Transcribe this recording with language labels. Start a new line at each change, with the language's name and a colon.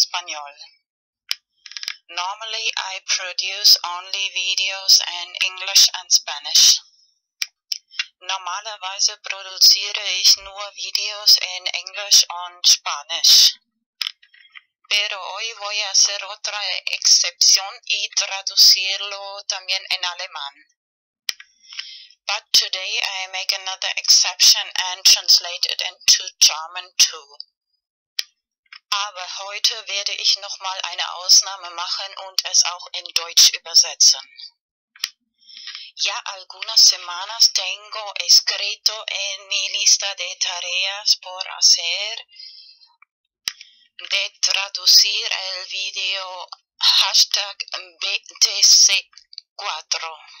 English: Normally, I produce only videos in English and Spanish.
German: Normalerweise produziere ich nur Videos in Englisch und Spanisch.
Spanish: Pero hoy voy a hacer otra excepción y traducirlo también en alemán.
English: But today I make another exception and translate it into German too.
German: Aber heute werde ich nochmal eine Ausnahme machen und es auch in Deutsch übersetzen.
Spanish: Ya algunas semanas tengo escrito en mi lista de tareas por hacer de traducir el video hashtag BTC4.